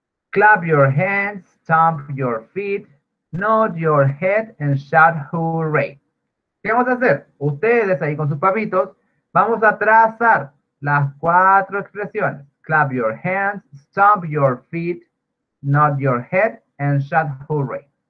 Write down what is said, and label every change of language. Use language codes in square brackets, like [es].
[en] Clap your hands, stomp your feet, nod your head and shout hooray. [es] ¿Qué vamos a hacer? Ustedes ahí con sus papitos, vamos a trazar las cuatro expresiones. [en] Clap your hands, stomp your feet, nod your head, and shout hooray.